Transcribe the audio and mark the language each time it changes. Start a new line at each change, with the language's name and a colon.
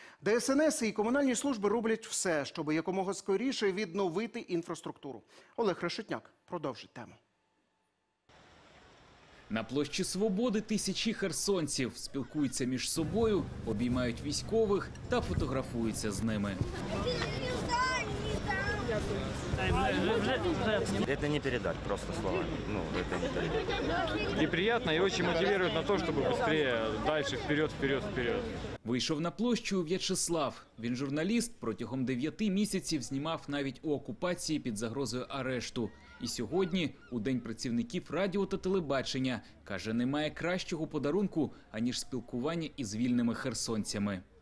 Ukrainian: ДСНС і комунальні служби роблять все, щоб якомога скоріше відновити інфраструктуру. Олег Решетняк продовжить тему. На площі Свободи тисячі херсонців спілкуються між собою, обіймають військових та фотографуються з ними.
Russian: Это не передать просто словами. Ну, это не передать. И приятно, и очень мотивирует на то, чтобы быстрее дальше вперед.
Ukrainian: Вийшов на площу В'ячеслав. Він журналіст, протягом 9 місяців знімав навіть у окупації під загрозою арешту. І сьогодні, у День працівників радіо та телебачення, каже, немає кращого подарунку, аніж спілкування із вільними херсонцями.